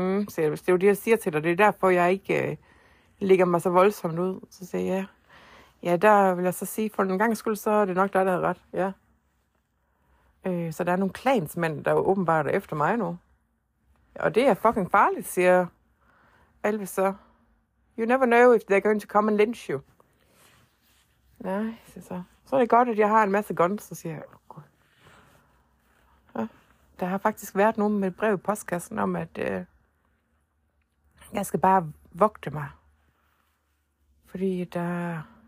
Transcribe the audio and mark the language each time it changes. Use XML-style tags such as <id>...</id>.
<da>Selv så, det er jo det, jeg siger til dig. Det er derfor, jeg ikke ligger mig så voldsomt ud. Så siger jeg, ja, der vil jeg så sige, for en gang skyld, så er det nok dig, der havde ret. Ja. Så der er nogle klansmænd, der er åbenbart er efter mig nu. Og det er fucking farligt, siger Alve så.</da> <en>You never know if they're going to come and lynch you.</en> <da>Nej, siger så. Så er det godt, at jeg har en masse guns, så siger jeg. Der har faktisk været nogen med et brev i postkassen om, at jeg skal bare vogte mig. Fordi der...</da>